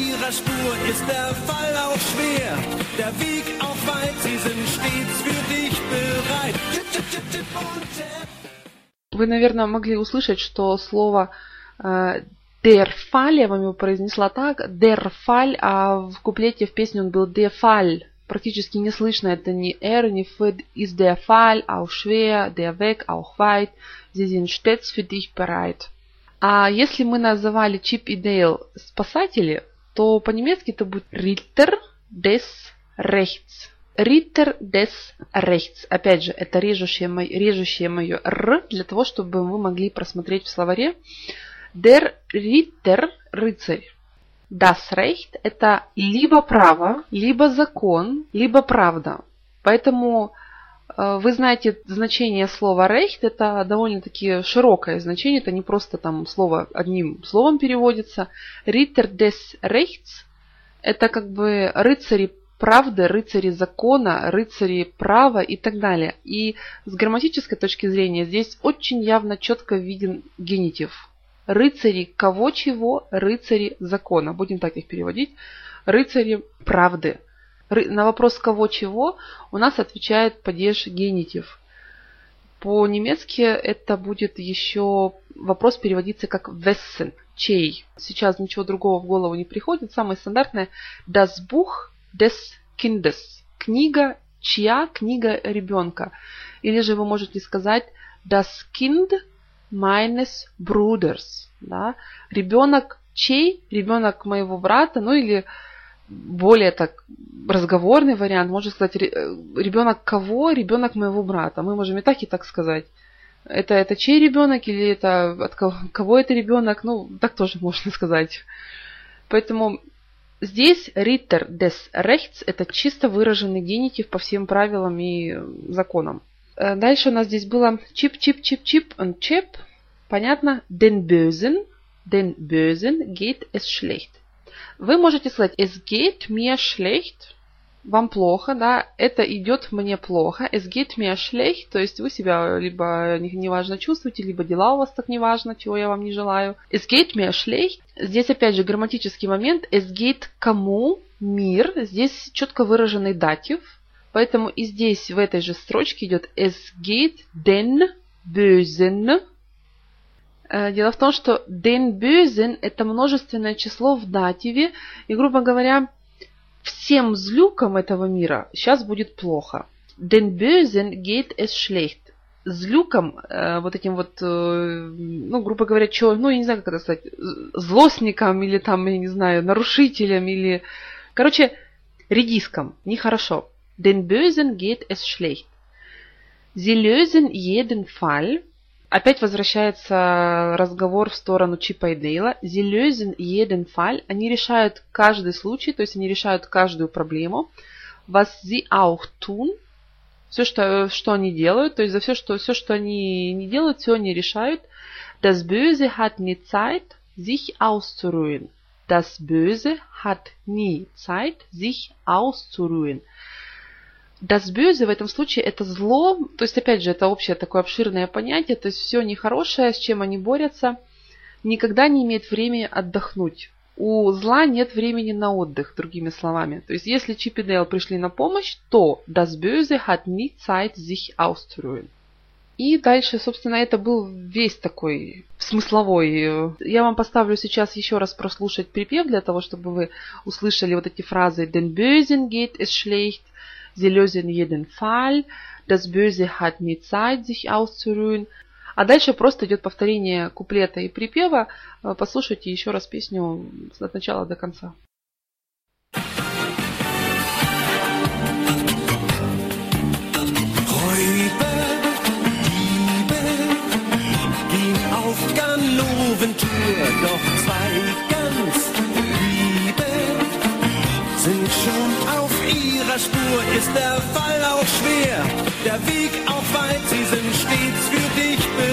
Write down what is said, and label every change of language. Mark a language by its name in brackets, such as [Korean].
[German] Spur ist der Fall auch schwer, der Weg auch weit, sie sind stets für dich bereit. [Russian] Вы, наверное, могли услышать, что слово [German] der Fall, [Russian] я вам его произнесла так, der Fall, а в куплете, в песне он был der Fall. Практически не слышно, это ни R, ни F, [German] is der Fall auch schwer, der Weg auch weit, sie sind stets für dich bereit. [Russian] А если мы называли Чип и Дейл спасатели, то по-немецки это будет Ritter des Rechts. [German] Ritter des Rechts. [Russian] Опять же, это режущее мое R, для того, чтобы вы могли просмотреть в словаре. [German] Der Ritter, [Russian] рыцарь. [German] Das Recht [Russian] – это либо право, либо закон, либо правда. Поэтому вы знаете значение слова Recht, это довольно-таки широкое значение, это не просто там слово одним словом переводится. [German] Ritter des Rechts [Russian] – это как бы рыцари правды, рыцари закона, рыцари права и так далее. И с грамматической точки зрения здесь очень явно четко виден генитив. Рыцари кого-чего, рыцари закона, будем так их переводить, рыцари правды. На вопрос кого-чего у нас отвечает падеж генитив. По-немецки это будет еще вопрос переводиться как [German] wessen, [Russian] чей. Сейчас ничего другого в голову не приходит. Самое стандартное [German] das Buch des Kindes. [Russian] Книга, чья книга ребенка. Или же вы можете сказать [German] das Kind meines Bruders. [Russian] Да? Ребенок чей? Ребенок моего брата. Ну или более так разговорный вариант, можно сказать, ребенок кого? Ребенок моего брата. Мы можем и так сказать. Это чей ребенок или это от кого это ребенок? Ну, так тоже можно сказать. Поэтому здесь [German] Ritter des Rechts [Russian] – это чисто выраженный генитив по всем правилам и законам. Дальше у нас здесь было чип-чип-чип-чип und чип. Понятно? [German] Den Bösen geht es schlecht. [Russian] Вы можете сказать [German] «Es geht mir schlecht», [Russian] «Вам плохо», да, «Это идет мне плохо», «Es geht mir schlecht», то есть вы себя либо неважно чувствуете, либо дела у вас так неважно, чего я вам не желаю. [German] «Es geht mir schlecht», [Russian] здесь опять же грамматический момент, [German] «Es geht [Russian] кому mir», здесь четко выраженный датив, поэтому и здесь в этой же строчке идет [German] «Es geht den Bösen». [Russian] Дело в том, что [German] den Bösen [Russian] – это множественное число в дативе. И, грубо говоря, всем злюкам этого мира сейчас будет плохо. [German] Den Bösen geht es schlecht. [Russian] с Люком, вот этим вот, ну, грубо говоря, человек, ну, я не знаю, как это сказать, злостником или там, я не знаю, нарушителем или... Короче, редиском, нехорошо. [German] Den Bösen geht es schlecht. Sie lösen jeden Fall. [Russian] Опять возвращается разговор в сторону Чипа и Дейла. [German] Sie lösen jeden Fall. [Russian] Они решают каждый случай, то есть они решают каждую проблему. [German] Was sie auch tun. [Russian] Все, что они делают, то есть за все, что они не делают, все они решают. [German] Das Böse hat nie Zeit, sich auszuruhen. Das Böse hat nie Zeit, sich auszuruhen. Das Böse [Russian] в этом случае это зло, то есть опять же это общее такое обширное понятие, то есть все нехорошее, с чем они борются, никогда не имеет времени отдохнуть. У зла нет времени на отдых, другими словами. То есть если Чип и Дейл пришли на помощь, то [German] Das Böse hat nie Zeit, sich auszuruhen. [Russian] И дальше, собственно, это был весь такой смысловой. Я вам поставлю сейчас еще раз прослушать припев для того, чтобы вы услышали вот эти фразы. [German] Den Bösen geht es schlecht. Sie lösen jeden Fall. Das Böse hat nie Zeit, sich auszuruhen. [Russian] А дальше просто идет повторение куплета и припева. Послушайте еще раз песню от начала до конца. [German] Räuber, Diebe, ging auf Ganoventour, doch zwei ganz Liebe sind schon auf ihrer Spur, ist der Fall auch schwer, der Weg auch weit, sie sind stets für dich.